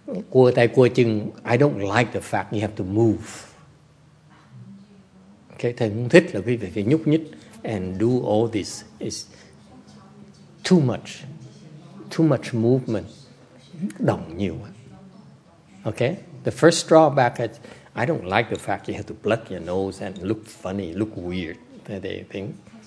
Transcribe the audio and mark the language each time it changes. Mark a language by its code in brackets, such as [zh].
[vi] Cua tay cua chân, [en] I don't like the fact you have to move. [vi] Okay, thầy không thích là quý vị phải nhúc nhích [en] and do all this is too much movement, [vi] động nhiều. [en] Okay, the first drawback is I don't like the fact you have to plug your nose and look funny, look weird, that they think.